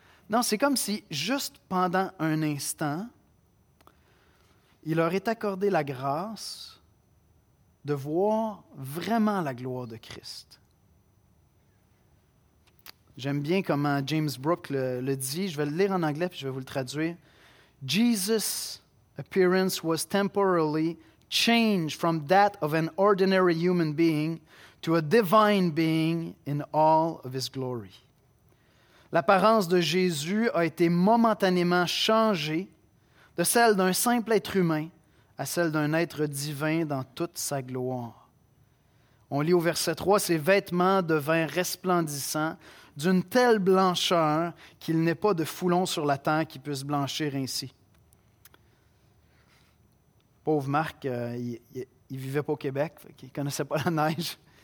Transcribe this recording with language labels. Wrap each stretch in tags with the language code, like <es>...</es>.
<fr>Non, c'est comme si, juste pendant un instant, il leur est accordé la grâce de voir vraiment la gloire de Christ. J'aime bien comment James Brooke le dit. Je vais le lire en anglais puis je vais vous le traduire.</fr> <en>Jesus' appearance was temporarily changed from that of an ordinary human being to a divine being in all of his glory.</en> <fr>L'apparence de Jésus a été momentanément changée de celle d'un simple être humain à celle d'un être divin dans toute sa gloire. On lit au verset 3, « Ses vêtements devinrent resplendissants d'une telle blancheur qu'il n'est pas de foulon sur la terre qui puisse blanchir ainsi. » Pauvre Marc, il ne vivait pas au Québec, il ne connaissait pas la neige.</fr>